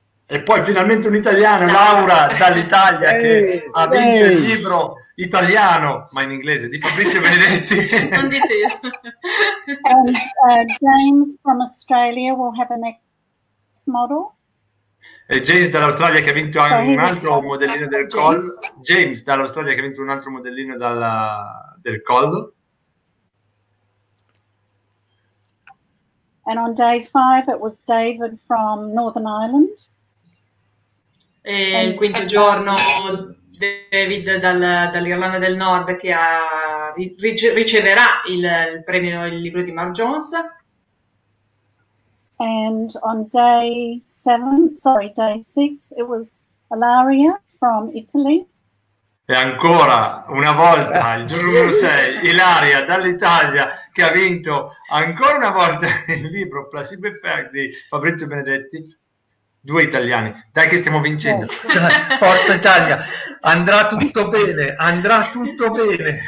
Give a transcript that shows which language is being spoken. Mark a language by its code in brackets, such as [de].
[it] e poi finalmente un italiano, Laura dall'Italia, che ha vinto il libro italiano, ma in inglese, di Fabrizio Benedetti. Non dite io. [en] And James from Australia will have an ex model. [it] E James dall'Australia, che ha vinto un altro modellino del collo. James dall'Australia, che ha vinto un altro modellino del collo. [en] And on day 5 it was David from Northern Ireland. [it] E il quinto giorno David dall'Irlanda del Nord, che riceverà il premio, il libro di Mark Jones. [en] And on day 6 it was Ilaria from Italy. [it] E ancora una volta il giorno numero 6, Ilaria dall'Italia, che ha vinto ancora una volta il libro Placebo Effect di Fabrizio Benedetti. Due italiani, dai che stiamo vincendo. Forza Italia, andrà tutto bene, andrà tutto bene.